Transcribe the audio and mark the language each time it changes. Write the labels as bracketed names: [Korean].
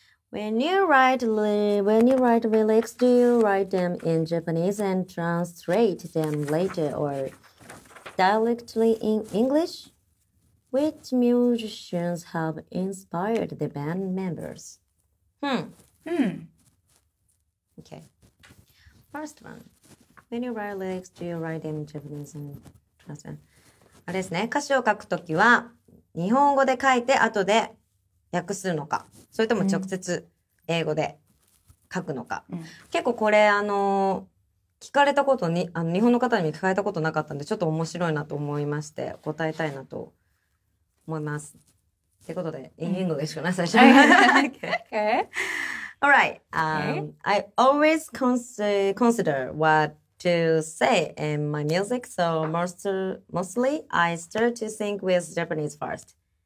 [English] When you write lyrics, do you write them in Japanese and translate them later or directly in English? Which musicians have inspired the band members? Okay. First one. When you write lyrics, do you write them in Japanese and translate? [Japanese] あれですね。歌詞を書くときは日本語で書いて後で訳すのか、それとも直接英語で書くのか、うん、結構これ聞かれたことに日本の方にも聞かれたことなかったんでちょっと面白いなと思いまして答えたいなと思います。ってことで、うん、英語でしかない最初に [English] okay. All right. I always consider what to say in my music, so mostly I start to think with Japanese first.